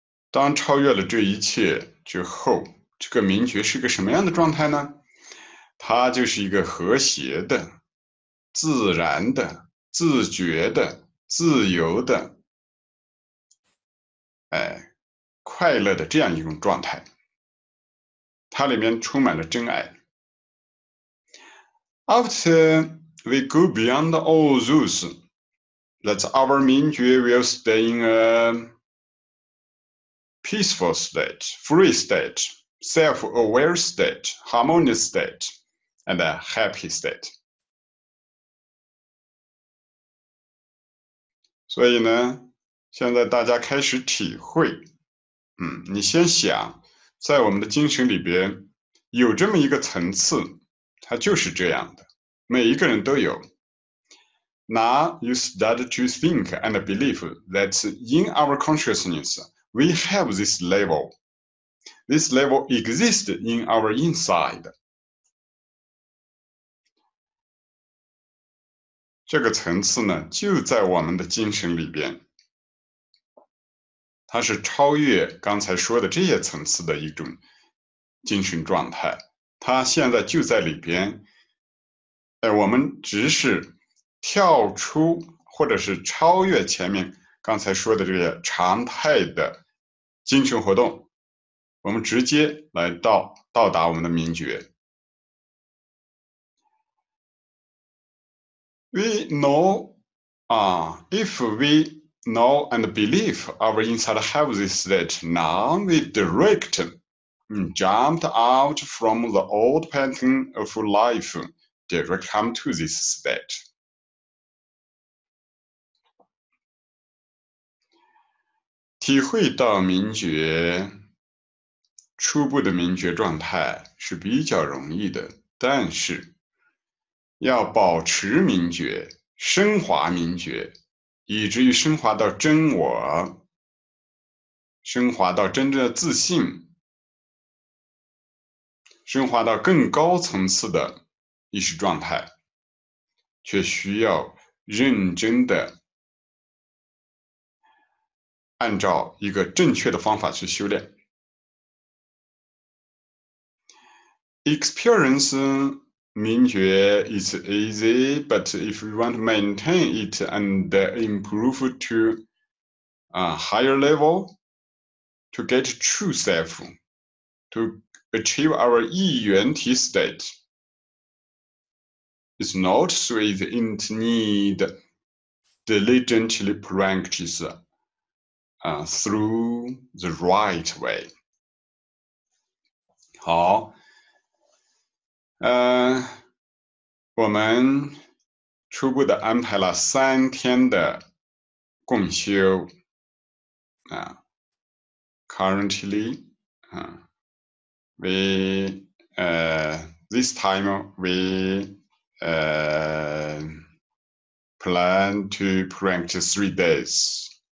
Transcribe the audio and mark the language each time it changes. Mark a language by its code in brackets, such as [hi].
[zh] 当超越了这一切之后，这个明觉是个什么样的状态呢？它就是一个和谐的、自然的、自觉的、自由的、快乐的这样一种状态。它里面充满了真爱。 [en] After we go beyond all rules, that our 明觉 will stay in a... peaceful state, free state, self-aware state, harmonious state, and a happy state. [zh] 所以呢，现在大家开始体会，你先想，在我们的精神里边有这么一个层次，它就是这样的，每一个人都有。 [en] Now you start to think and believe that in our consciousness,We have this level. This level exists in our inside. [zh] 这个层次呢，就在我们的精神里边。它是超越刚才说的这些层次的一种精神状态。它现在就在里边。我们只是跳出或者是超越前面刚才说的这些常态的精神活动，我们直接来到达我们的Mingjue。 [en] We know, if we know and believe our inside have this state, now we direct, jumped out from the old pattern of life, direct come to this state. [zh] 体会到明觉，初步的明觉状态是比较容易的，但是要保持明觉，升华明觉，以至于升华到真我，升华到真正的自信，升华到更高层次的意识状态，却需要认真的按照一个正确的方法去修炼。 [en] Experience Mingjue is easy, but if you want to maintain it and improve to a higher level, to get true self, to achieve our 一元体 state, it's not so easy and need diligently practice. Through the right way. [zh] 好，我们初步的安排了三天的共修。 [en] Currently, we this time we plan to practice 3 days.